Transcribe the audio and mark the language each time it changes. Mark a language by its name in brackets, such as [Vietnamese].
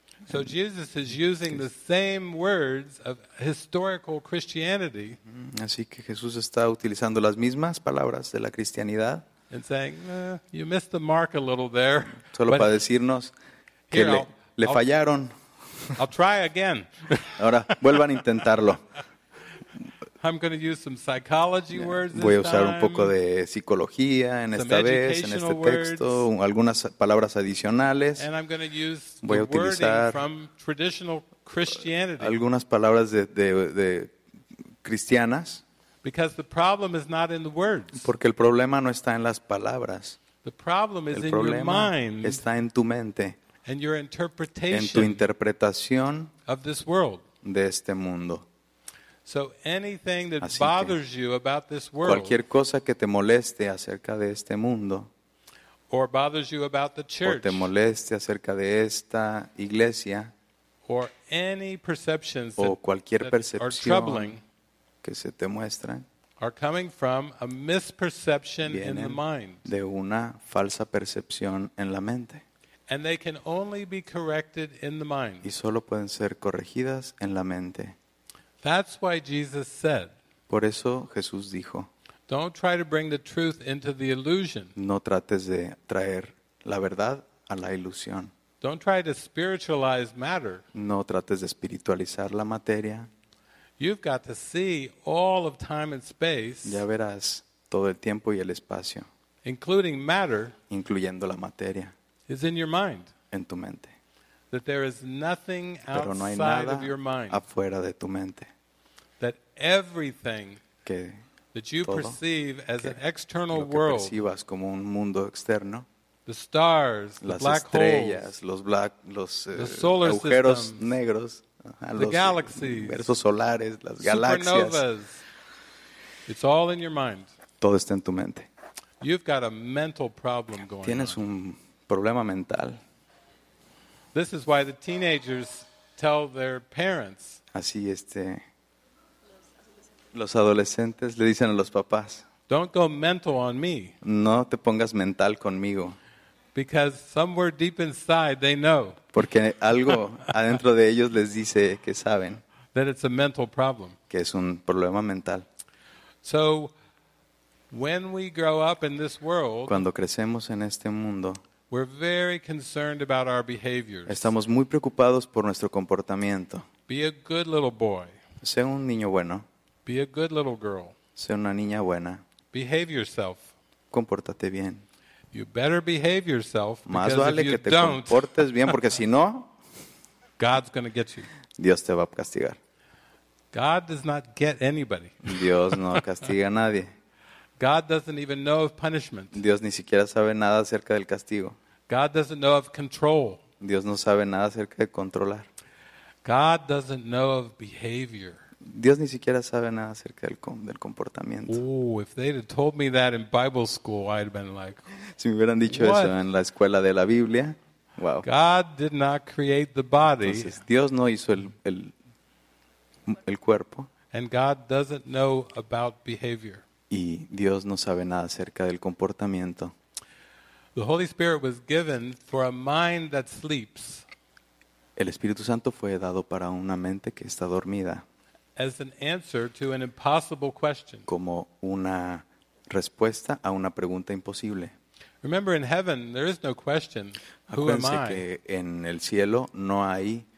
[English] So Jesus is using the same words of historical Christianity. [Spanish] Así que Jesús está utilizando las mismas palabras de la cristianidad. [English] And saying, you missed the mark a little there. [Spanish] Solo para decirnos que [English] here, [Spanish] le fallaron. [English] I'll try again. [Spanish] Ahora vuelvan a intentarlo. [English] I'm going to use some psychology words [Spanish] voy a usar [English] this time, [Spanish] un poco de psicología en esta vez, en este texto, [English] words, [Spanish] algunas palabras adicionales. [English] And I'm going to use [Spanish] voy [English] the [Spanish] a utilizar [English] from traditional Christianity. [Spanish] Algunas palabras de cristianas. [English] Because the problem is not in the words. [Spanish] Porque el problema no está en las palabras. [English] The problem is [Spanish] el problema [English] in your mind [Spanish] está en tu mente. [English] And your interpretation [Spanish] en tu interpretación [English] of this world. [Spanish] De este mundo. [English] So anything that bothers you about this world, [Spanish] cualquier cosa que te moleste acerca de este mundo, [English] or bothers you about the church, [Spanish] o te moleste acerca de esta iglesia, [English] or any perceptions [Spanish] o cualquier [English] that are troubling, [Spanish] que se te muestran, [English] are coming from a misperception in the mind. [Spanish] De una falsa percepción en la mente. [English] And they can only be corrected in the mind. [Spanish] Y solo pueden ser corregidas en la mente. [English] That's why Jesus said. [Spanish] Por eso Jesús dijo. [English] Don't try to bring the truth into the illusion. [Spanish] No trates de traer la verdad a la ilusión. [English] Don't try to spiritualize matter. [Spanish] No trates de espiritualizar la materia. [English] You've got to see all of time and space. [Spanish] Ya verás todo el tiempo y el espacio. [English] Including matter. [Spanish] Incluyendo la materia. [English] Is in your mind. [Spanish] En tu mente. [English] That there is nothing [Spanish] Pero [English] outside [Spanish] no hay nada [English] of your mind. [Spanish] Afuera de tu mente. [English] That everything [Spanish] que [English] that you [Spanish] todo [English] perceive as an external world. [Spanish] Lo que percibas como un mundo externo. [English] The stars, [Spanish] las [English] the black [Spanish] estrellas, [English] holes, [Spanish] los agujeros [English] systems, [Spanish] negros, [English] the los galaxies, [Spanish] universos solares, las [English] supernovas, [Spanish] galaxias. [English] It's all in your mind. [Spanish] Todo está en tu mente. [English] You've got a mental problem going [Spanish] Tienes [English] on. [Spanish] Un problema mental. [English] This is why the teenagers tell their parents. [Spanish] Así los adolescentes le dicen a los papás. [English] Don't go mental on me. [Spanish] No te pongas mental conmigo. [English] Because somewhere deep inside they know. [Spanish] Porque algo adentro de ellos les dice que saben. [English] That it's a mental problem. [Spanish] Que es un problema mental. [English] So when we grow up in this world, [Spanish] cuando crecemos en este mundo, [English] we're very concerned about our behaviors. [Spanish] Estamos muy preocupados por nuestro comportamiento. [English] Be a good little boy. [Spanish] Sé un niño bueno. [English] Be a good little girl. [Spanish] Sé una niña buena. [English] Behave yourself. [Spanish] Compórtate bien. [English] You better behave yourself. [Spanish] Más vale que te comportes bien porque si no, [English] God's going to get you. [Spanish] Dios te va a castigar. [English] God does not get anybody. [Spanish] Dios no castiga a nadie. [English] God doesn't even know of punishment. [Spanish] Dios ni siquiera sabe nada acerca del castigo. [English] God doesn't know of control. [Spanish] Dios no sabe nada acerca de controlar. [English] God doesn't know of behavior. [Spanish] Dios ni siquiera sabe nada acerca del comportamiento. [English] Oh, if they'd have told me that in Bible school, I'd have been like, [Spanish] si me hubieran dicho [English] what? [Spanish] Eso en la escuela de la Biblia, wow. [English] God did not create the body. [Spanish] Entonces, Dios no hizo el cuerpo. [English] And God doesn't know about behavior. [Spanish] Y Dios no sabe nada acerca del comportamiento. [English] The Holy Spirit was given for a mind that sleeps. [Spanish] El Espíritu Santo fue dado para una mente que está dormida. [English] As an answer to an impossible question. [Spanish] Como una respuesta a una pregunta imposible. [English] Remember, in heaven there is no question. Who am I? [Spanish] Que en el cielo no hay.